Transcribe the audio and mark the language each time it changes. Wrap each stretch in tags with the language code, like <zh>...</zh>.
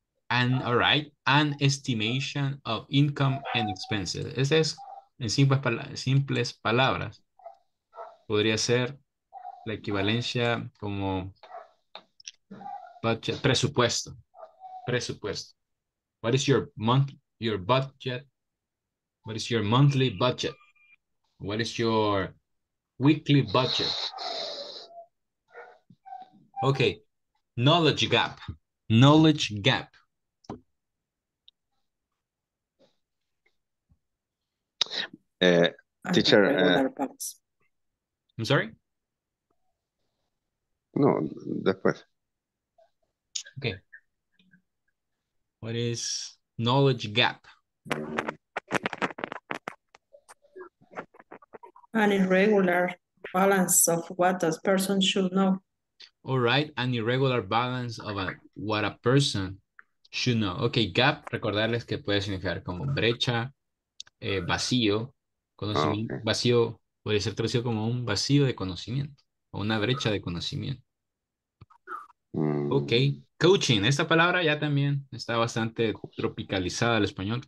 <en>And all right, an estimation of income and expenses.</en> <es>Ese es, en simples palabras, podría ser la equivalencia como budget, presupuesto.</es> <en>Presupuesto. What is your budget? What is your monthly budget? What is your weekly budget? Okay, knowledge gap. Knowledge gap. Teacher, I'm sorry?</en> <es>No, después.</es> <en>Okay. What is knowledge gap? An irregular balance of what a person should know. All right, an irregular balance of what a person should know.</en> <es>Okay, gap, recordarles que puede significar como brecha, vacío. Conocimiento, okay. Vacío puede ser traducido como un vacío de conocimiento o una brecha de conocimiento. Ok, coaching. Esta palabra ya también está bastante tropicalizada al español.</es>